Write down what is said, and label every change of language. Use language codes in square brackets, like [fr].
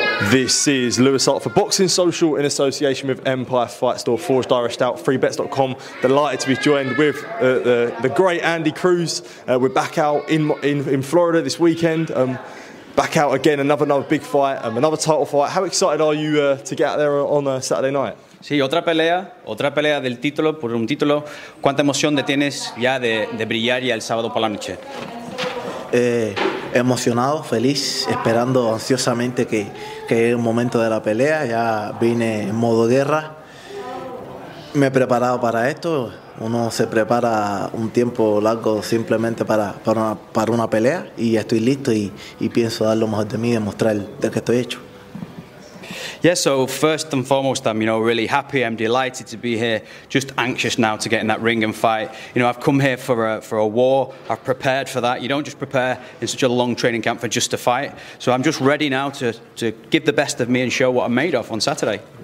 [en] This is Lewis Hart for Boxing Social in association with Empire Fight Store, Forged Irish Stout, FreeBets.com. Delighted to be joined with the great Andy Cruz. We're back out in Florida this weekend. Back out again, another big fight, another title fight. How excited are you to get out there on Saturday night? [es] Sí, otra pelea del título, por un título. ¿Cuánta emoción te tienes ya de brillar ya el sábado por la noche? Emocionado, feliz, esperando ansiosamente que llegue el momento de la pelea. Ya vine en modo guerra, me he preparado para esto. Uno se prepara un tiempo largo simplemente para una pelea, y estoy listo y pienso dar lo mejor de mí, demostrar de que estoy hecho. [en] Yeah, so first and foremost, I'm, you know, really happy. I'm delighted to be here. Just anxious now to get in that ring and fight. You know, I've come here for a war. I've prepared for that. You don't just prepare in such a long training camp for just a fight. So I'm just ready now to give the best of me and show what I'm made of on Saturday.